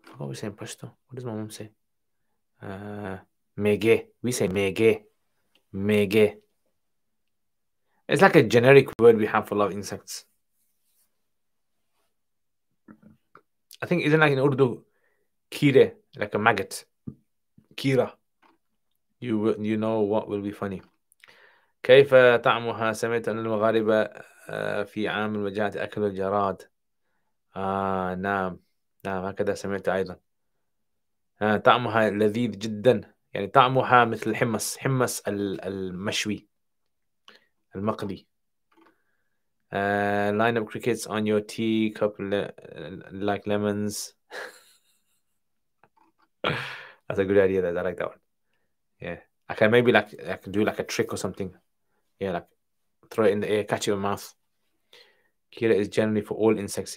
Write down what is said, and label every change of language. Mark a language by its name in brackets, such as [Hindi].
[English] What do we say in Pashto? What does my mom say? Mege. We say mege. Mege. It's like a generic word we have for a lot of insects. I think isn't like in Urdu, kire, like a maggot. Kira. You know what will be funny. [Arabic] كيف طعمها سمعت أن المغاربة في عام الوجاعة أكل الجراد. نعم. نعم هكذا سمعت أيضا. طعمها لذيذ جدا يعني طعمها مثل الحمص، حمص المشوي المقلي. [English] Line up crickets on your tea cup like lemons. That's a good idea. That I like that one. Yeah, I can maybe like I can do like a trick or something. Yeah, like throw it in the air, catch it in my mouth. Kira is generally for all insects.